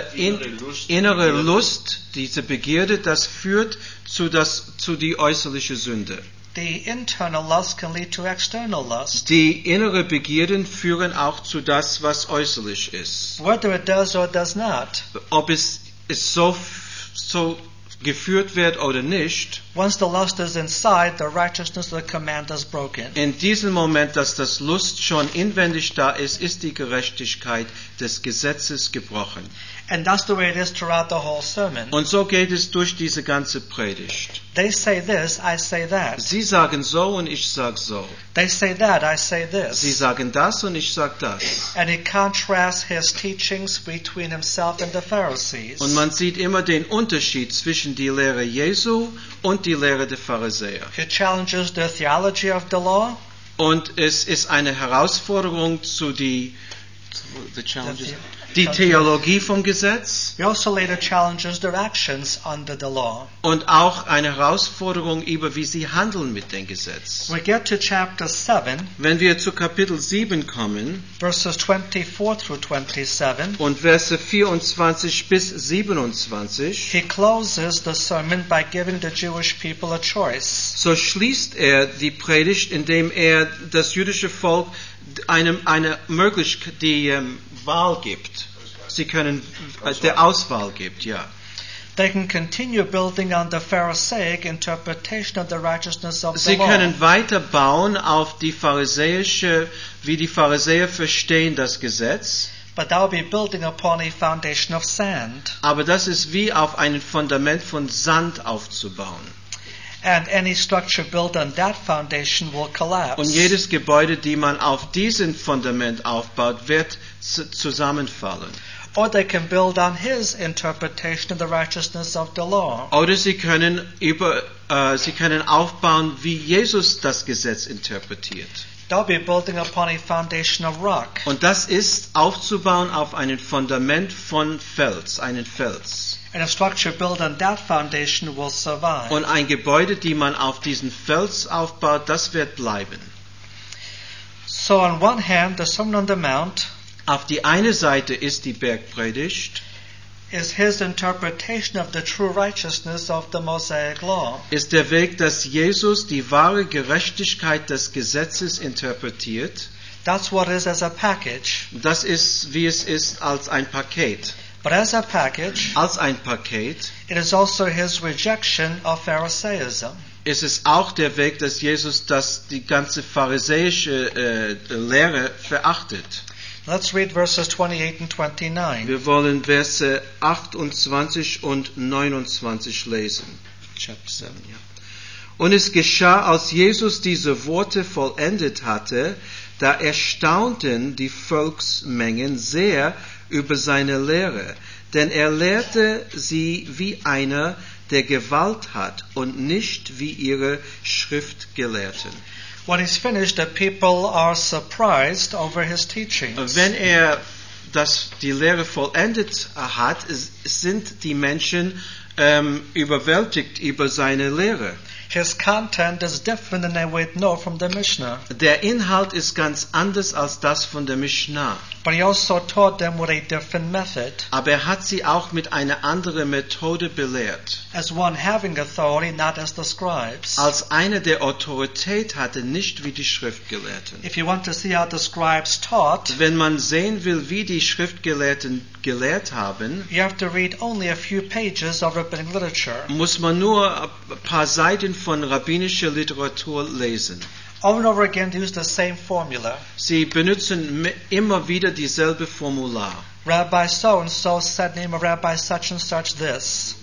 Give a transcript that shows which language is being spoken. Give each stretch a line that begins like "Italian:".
German: Und es ist diese innere Lust, diese Begierde, das führt zu die äußerliche Sünde.
English: The internal lust can lead to external lust.
German: Die innere Begierden führen auch zu das, was äußerlich ist.
English: Whether it does or does not.
German: Ob es so geführt wird oder nicht.
English: Once the lust is inside, the righteousness of the command is broken.
German: In diesem Moment, dass das Lust schon inwendig da ist, ist die Gerechtigkeit des Gesetzes gebrochen.
English: And that's the way it is throughout the whole sermon.
German: Und so geht es durch diese ganze Predigt.
English: They say this, I say that.
German: Sie sagen so und ich sag so.
English: They say that, I say this.
German: Sie sagen das und ich sag das.
English: And he contrasts his teachings between himself and the Pharisees.
German: Und man sieht immer den Unterschied zwischen die Lehre Jesu und die Lehre der Pharisäer.
English: He challenges the theology of the law.
German: Und es ist eine Herausforderung zu die
English: the challenges.
German: Die Theologie vom Gesetz.
English: He also later challenges their actions under the law.
German: Und auch eine Herausforderung über, wie sie handeln mit dem Gesetz.
English: We get to chapter 7,
German: wenn wir zu Kapitel 7 kommen,
English: verses 24 through 27,
German: und Verse 24 bis 27,
English: he closes the sermon by giving the Jewish people a choice.
German: So schließt er die Predigt, indem er das jüdische Volk eine Möglichkeit, Wahl gibt. Sie können der Auswahl gibt, ja.
English: They can continue building on the Pharisaic interpretation of the righteousness of the law.
German: Sie können weiter bauen auf die pharisäische, wie die Pharisäer verstehen das Gesetz.
English: But that will be building upon a foundation of sand.
German: Aber das ist wie auf ein Fundament von Sand aufzubauen.
English: And any structure built on that foundation will collapse.
German: Und jedes Gebäude, die man auf diesem Fundament aufbaut, wird zusammenfallen.
English: Or they can build on his interpretation of the righteousness of the law.
German: Oder sie können aufbauen, wie Jesus das Gesetz interpretiert.
English: They'll be building upon a foundation of rock.
German: Und das ist aufzubauen auf einen Fundament von Fels, einen Fels.
English: And a structure built on that foundation will survive.
German: Und ein Gebäude, die man auf diesen Fels aufbaut, das wird bleiben.
English: So on one hand, the Sermon on the Mount.
German: Auf die eine Seite ist die Bergpredigt.
English: Is his interpretation of the true righteousness of the Mosaic law.
German: Ist der Weg, dass Jesus die wahre Gerechtigkeit des Gesetzes interpretiert.
English: That's what is as a package.
German: Das ist, wie es ist, als ein Paket.
English: But as a package,
German: als ein Paket,
English: it is also his rejection of Pharisaism.
German: Ist es auch der Weg, dass Jesus das die ganze pharisäische Lehre verachtet.
English: Let's read verses 28 and 29.
German: Wir wollen Verse 28 und 29 lesen.
English: Chapter 7,
German: ja. Und es geschah, als Jesus diese Worte vollendet hatte, da erstaunten die Volksmengen sehr über seine Lehre, denn er lehrte sie wie einer, der Gewalt hat und nicht wie ihre Schriftgelehrten.
English: When he's finished, the people are surprised over his teachings.
German: Wenn er die Lehre vollendet hat, sind die Menschen überwältigt über seine Lehre.
English: His content is different than they would know from the Mishnah.
German: Der Inhalt ist ganz anders als das von der Mishnah.
English: But he also taught them with a different method.
German: Aber er hat sie auch mit einer anderen Methode belehrt.
English: As one having authority, not as the scribes.
German: Als einer, der Autorität hatte, nicht wie die Schriftgelehrten.
English: If you want to see how the scribes taught,
German: wenn man sehen will, wie die Schriftgelehrten gelehrt haben,
English: you have to read only a few pages of rabbinic literature.
German: Muss man nur ein paar Seiten von rabbinischer Literatur lesen.
English: Over and over again, they use the same formula.
German: Sie benutzen immer wieder dieselbe Formular.
English: Rabbi so and so said in name of Rabbi such and such this.